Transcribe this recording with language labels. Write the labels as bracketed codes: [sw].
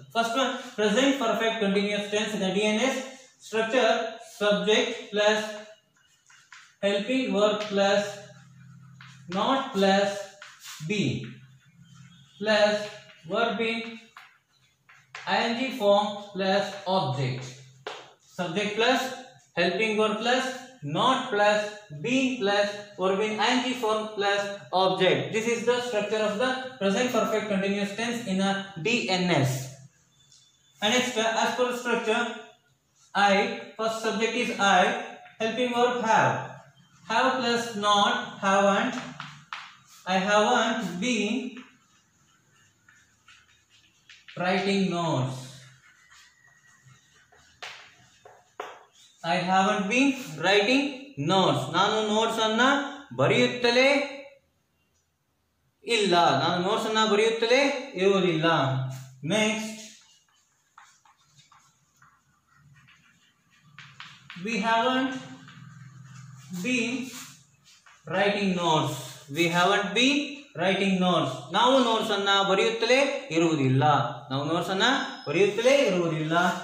[en] First one, present perfect continuous tense the D N S structure subject plus helping verb plus not plus be plus verb be ing form plus object, subject plus helping verb plus not plus being plus verb in ing form plus object. This is the structure of the present perfect continuous tense in a DNS. And next, as per structure, I, first subject is I, helping verb have plus not, haven't, I haven't been writing notes. I haven't been writing notes. [kn] ನಾನು notes ಅನ್ನ ಬರೆಯುತ್ತಲೇ ಇಲ್ಲ, ನಾನು notes ಅನ್ನ ಬರೆಯುತ್ತಲೇ ಇರುವುದಿಲ್ಲ. [en] next, we haven't been writing notes, we haven't been writing notes, [kn] ನಾವು notes ಅನ್ನ ಬರೆಯುತ್ತಲೇ ಇರುವುದಿಲ್ಲ, [en] ನಾವು ನೋಟ್ಸ್ ಅನ್ನ ಬರೆಯುತ್ತಲೇ ಇರುವುದಿಲ್ಲ.